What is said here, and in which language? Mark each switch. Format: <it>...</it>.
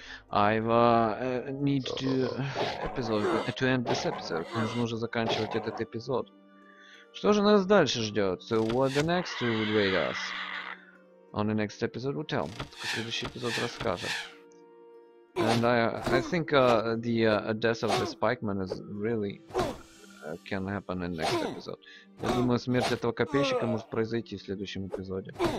<en>I need to end this episode.</en> <ru>Нужно уже заканчивать этот эпизод. Что же нас дальше ждет?</ru> <en>So what the next would wait us? On the next episode we'll tell.</en> <ru>Только следующий эпизод расскажет.</ru> <en>And I think the death of the Spikeman is really... can happen in next episode.</en> <ru>Я думаю, смерть этого копейщика может произойти в следующем эпизоде.</ru>